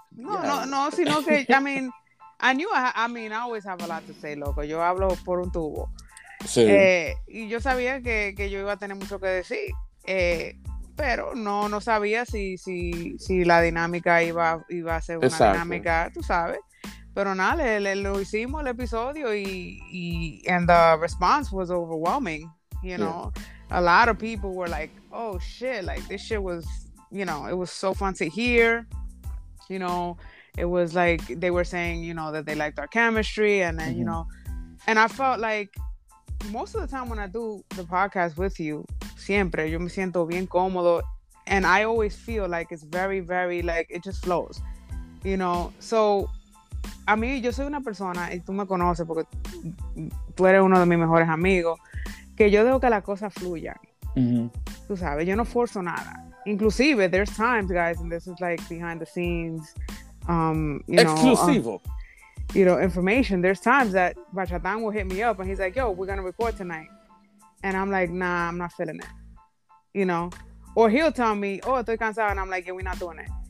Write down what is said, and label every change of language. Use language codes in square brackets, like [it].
[es] No, sino que, [en] I mean, I always have a lot to say, loco. [es] Yo hablo por un tubo. Sí. Y yo sabía que yo iba a tener mucho que decir, pero no sabía si la dinámica iba a ser una Exacto. dinámica, tú sabes. Pero nada, lo hicimos el episodio y [en] and the response was overwhelming, you know. Yeah. A lot of people were like, oh shit, like this shit was, you know, it was so fun to hear, you know. It was like they were saying, you know, that they liked our chemistry, and then, you know, and I felt like most of the time when I do the podcast with you, [es] siempre yo me siento bien cómodo, [en] and I always feel like it's very, very, like it just flows, you know. [es] So a mí, yo soy una persona, y tú me conoces porque tú eres uno de mis mejores amigos, que yo dejo que las cosas fluyan. Tú sabes, yo no forzo nada. [en] Inclusive, there's times, guys, and this is like behind the scenes, information. There's times that Bachatan will hit me up and he's like, yo, we're going to record tonight. And I'm like, nah, I'm not feeling it, you know. Or he'll tell me, oh, [es] estoy cansado, [en] and I'm like, yeah, we're not doing it.